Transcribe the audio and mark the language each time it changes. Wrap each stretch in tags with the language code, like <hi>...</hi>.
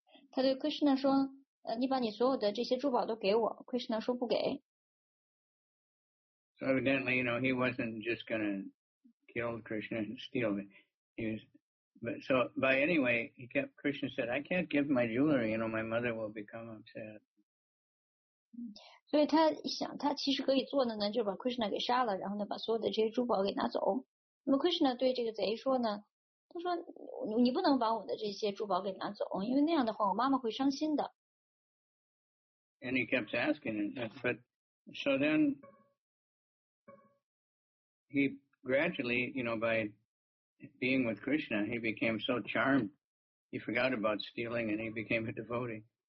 <zh>他对 Krishna 说，你把你所有的这些珠宝都给我。Krishna 说不给。</zh> <en>So evidently, you know, he wasn't just going to kill Krishna and steal it. Krishna said, I can't give my jewelry, you know, my mother will become upset.</en> <zh>所以他想，他其实可以做的呢，就把 Krishna 给杀了，然后呢，把所有的这些珠宝给拿走。那么 Krishna 对这个贼说呢，他说你不能把我的这些珠宝给拿走，因为那样的话我妈妈会伤心的。</zh> <en>And he kept asking it, but so then he gradually, you know, by being with Krishna, he became so charmed, he forgot about stealing and he became a devotee.</en>